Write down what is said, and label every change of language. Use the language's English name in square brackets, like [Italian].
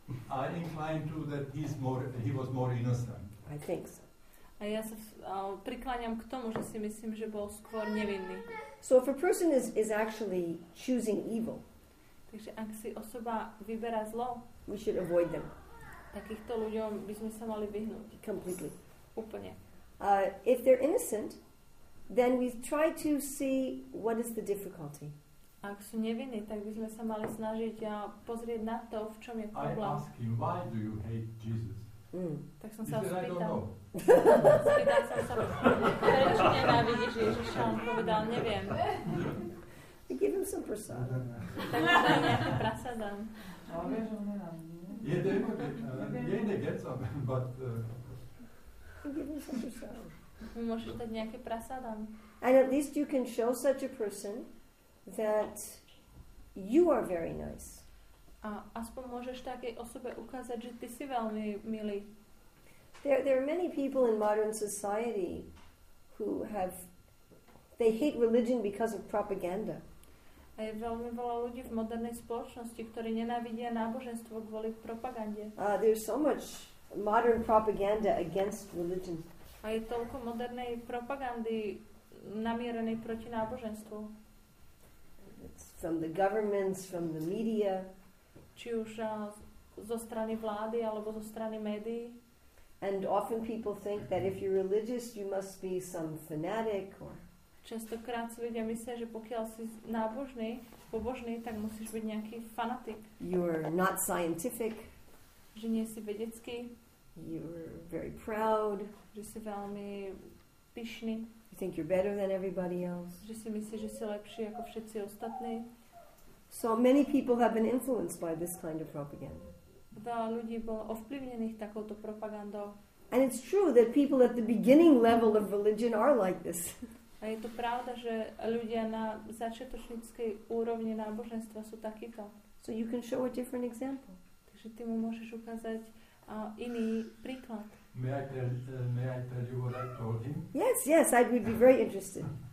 [English] I incline to that he was more innocent. I think so. [Slovak] A ja sa prikláňam k tomu, že si myslím, že bol skôr nevinný. [English] So if a person is actually choosing evil, [Slovak] takže ak si osoba vyberá zlo, [English] we should avoid them. [Slovak] Takýchto ľuďom by sme sa mali vyhnúť. [English] Completely. [Slovak] Úplne. [English] If they're innocent, then we try to see what is the difficulty. [Slovak] Ak sú nevinní, tak by sme sa mali snažiť a pozrieť na to, v čom je problém. [English] I ask him, why do you hate Jesus? Mm. [Slovak] Tak som sa ho spýtal. Prečo nenávidíš Ježiša? On povedal, neviem. [English] Give him some prasadam. [Slovak] Tak mu daj nejaké prasadam. Ale vieš, on nenávidí. Jej nekec, but... [English] Give him some prasadam. [Slovak] Môžeš dať nejaké prasadam. [English] And at least you can show such a person that you are very nice. [Slovak] A aspoň môžeš takej osobe ukázať, že ty si veľmi milý. [English] There are many people in modern society who have, they hate religion because of propaganda. [Slovak] A je veľmi veľa ľudí v modernej spoločnosti, ktorí nenávidia náboženstvo kvôli propagande. [English] There's so much modern propaganda against religion. [Slovak] A je toľko modernej propagandy namierenej proti náboženstvu. [English] It from the governments, from the media. [Slovak] Či už zo strany vlády alebo zo strany médií. [English] And often people think that if you're religious, you must be some fanatic or. [Slovak] Častokrát si ľudia myslia, že pokiaľ si nábožný, pobožný, tak musíš byť nejaký fanatik. [English] You're not scientific. [Slovak] Že nie si vedecký. [English] You're very proud. [Slovak] Že si veľmi pyšný. [English] You think you're better than everybody else. [Slovak] Že si myslíš, že si lepší ako všetci ostatní. [English] So many people have been influenced by this kind of propaganda. [Slovak] Veľa ľudí bolo ovplyvnených takouto propagandou. [English] And it's true that people at the beginning level of religion are like this. [Slovak] A je to pravda, že ľudia na začiatočníckej úrovni náboženstva sú takíto. [English] So you can show a different example. [Slovak] Takže ty mu môžeš ukázať iný príklad. [English] May I tell you what I told him? Yes, yes, I would be very interested.